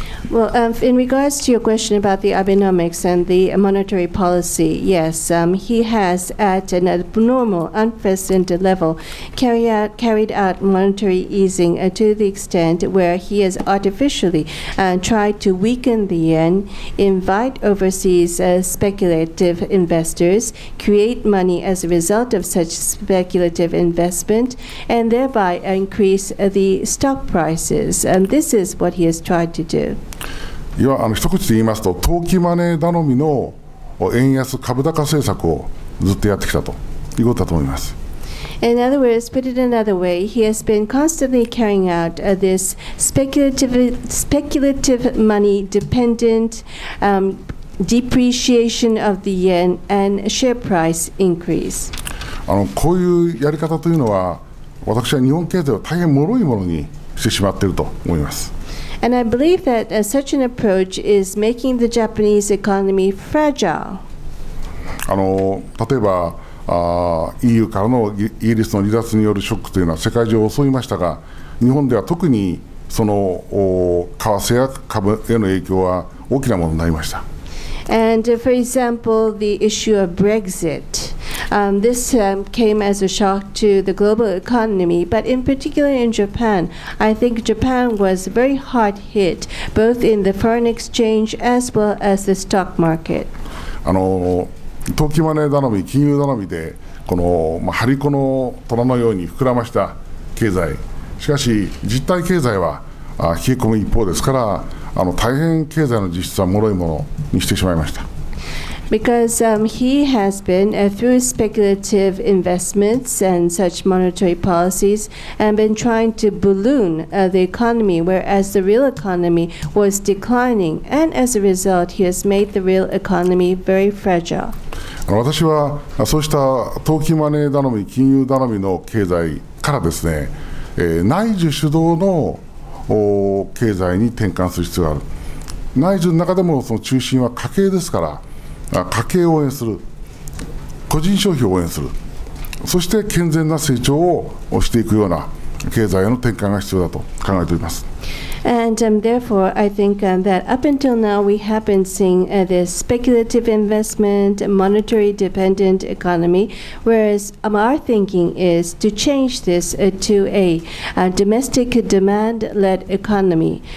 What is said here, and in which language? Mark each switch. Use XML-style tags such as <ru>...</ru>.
<en>Well, in regards to your question about the Abenomics and the monetary policy, yes, he has at an abnormal, unprecedented level carried out monetary easing to the extent where he has artificially tried to weaken the yen, invite overseas speculative investors, create money as a result of such speculative investment, and thereby increase the stock prices. And this is what he has tried to do.</en> <ja>いや一口で言いますと、投機マネー頼みの円安株高政策をずっとやってきたということだと思います。</ja> <en>In other words, put it another way, he has been constantly carrying out this speculative money dependent depreciation of the yen and share price increase.</en> <ja>こういうやり方というのは、私は日本経済を大変脆いものにしてしまっていると思います。</ja> <en>And I believe that such an approach is making the Japanese economy fragile.</en> <ja>例えば、EU からのイギリスの離脱によるショックというのは世界中を襲いましたが、日本では特にその為替や株への影響は大きなものになりました。</ja> <en>And for example, the issue of Brexit. This came as a shock to the global economy, but in particular in Japan, I think Japan was very hard hit, both in the foreign exchange as well as the stock market.</en> <ja>投機マネー頼み、金融頼みで、この、まあ、張り子の虎のように膨らました経済。しかし、実体経済は冷え込む一方ですから、大変経済の実質は脆いものにしてしまいました。</ja> <en>Because he has been through speculative investments and such monetary policies and been trying to balloon the economy, whereas the real economy was declining, and as a result, he has made the real economy very fragile.</en> <ja>私はそうした投機マネー頼み、金融頼みの経済からですね、内需主導の経済に転換する必要がある。内需の中でもその中心は家計ですから。家計を応援する、個人消費を応援する、そして健全な成長をしていくような経済への転換が必要だと考えております。</ja> <en>And therefore, I think that up until now, we have been seeing this speculative investment, monetary dependent economy, whereas our thinking is to change this to a domestic demand-led economy.</en>